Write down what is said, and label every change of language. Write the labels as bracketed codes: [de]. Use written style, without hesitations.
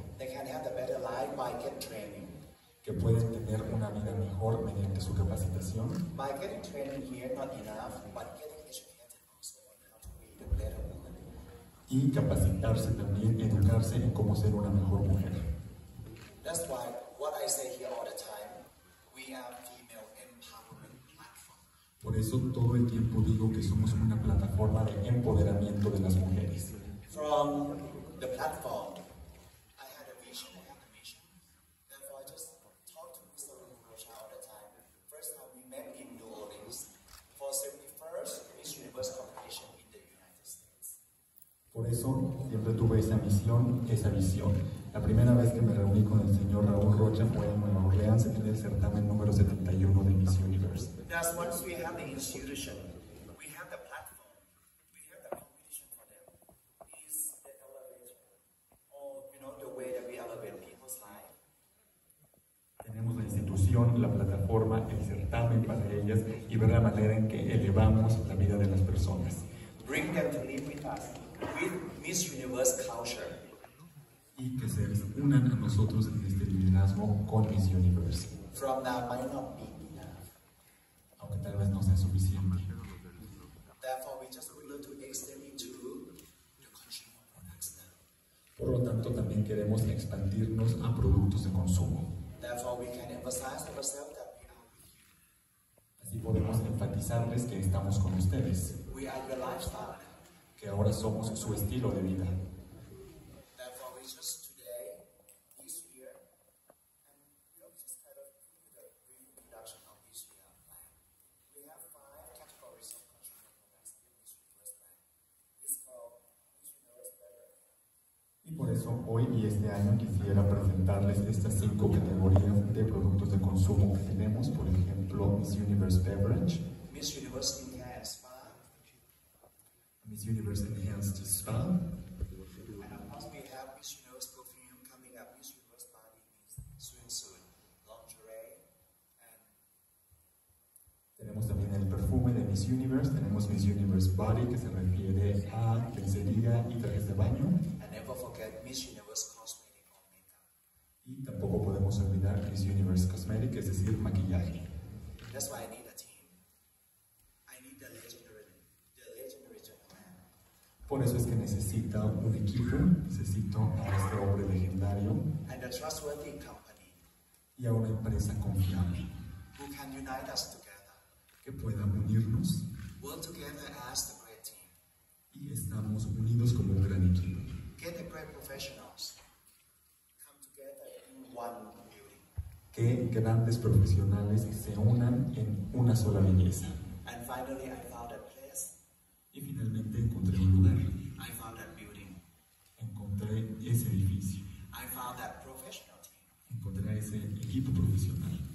[en] They can have a better life by getting training. [es] Que pueden tener una vida mejor mediante su capacitación. [en] By getting training here, not enough, but getting educated also on how to be a better woman. [es] Y capacitarse también, educarse en cómo ser una mejor mujer. [en] That's why what I say here all the time, we are female empowerment platform. [es] Por eso todo el tiempo digo que somos una plataforma de empoderamiento de las mujeres. [en] From the platform, I had a vision, I had a mission. Therefore, I just talked to Mr. Rinpoche all the time. First time we met in New Orleans for 71st Miss Universe competition in the United States. [es] Por eso siempre tuve esa misión, esa visión. La primera vez que me reuní con el señor Raúl Rocha fue en Nueva Orleans en el certamen número 71 de Miss Universe. [en] Thus, once we have the institution, we have the platform, we have the competition for them. Is the elevator, or you know, the way that we elevate people's life. [es] Tenemos la institución, la plataforma, el certamen para ellas y ver la manera en que elevamos la vida de las personas. [en] Bring them to live with us, with Miss Universe culture. [es] Y que se unan a nosotros en este liderazgo con Miss Universe. [en] From that might not be enough. [es] Aunque tal vez no sea suficiente. [en] Therefore, we just would like to extend into the consumer products now. [es] Por lo tanto, también queremos expandirnos a productos de consumo. [en] Therefore, we can emphasize ourselves that we are with you. [es] Así podemos enfatizarles que estamos con ustedes. [en] We are your lifestyle. [es] Que ahora somos su estilo de vida. Por eso hoy y este año quisiera presentarles estas cinco categorías de productos de consumo que tenemos, por ejemplo, Miss Universe Beverage, [en] Miss Universe Enhanced Spa, Miss Universe Enhanced Spa, and of course we have Miss Universe Perfume coming up, Miss Universe Body Swimsuit, Lingerie, and [es] tenemos también el perfume de Miss Universe, tenemos Miss Universe Body que se refiere a lencería y trajes de baño. Y tampoco podemos olvidar Miss Universe Cosmetic, es decir, maquillaje. [en] That's why I need a team. I need the legendary gentleman. [es] Por eso es que necesito un equipo, necesito a este hombre legendario. [en] And a trustworthy company. [es] Y a una empresa confiable. [en] Who can unite us together. [es] Que pueda unirnos. [en] Work together as the great team. [es] Y estamos unidos como un gran equipo. [en] Get the great professionals come together in one building. [es] Que grandes profesionales se unan en una sola belleza. [en] And finally, I found a place. [es] Y finalmente encontré un lugar. [en] I found that building. [es] Encontré ese edificio. [en] I found that professional team. [es] Encontré ese equipo profesional.